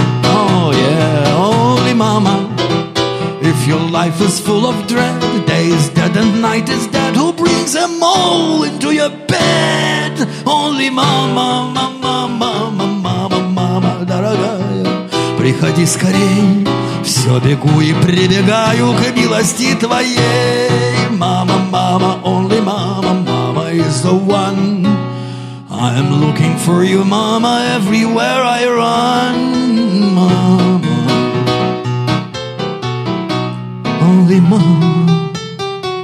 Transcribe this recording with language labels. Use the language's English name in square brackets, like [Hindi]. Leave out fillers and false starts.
[English] Oh yeah. Only mama. If your life is full of dread, day is dead and night is dead, who brings a mole into your bed? Only mama, mama, mama, mama, mama, [Russian] дорогая. Приходи скорей. Все бегу и прибегаю к милости твоей. Мама, мама, [English] only mama, mama is the one. I'm looking for you, mama, everywhere I run. [Russian] Мама, [English] only mama.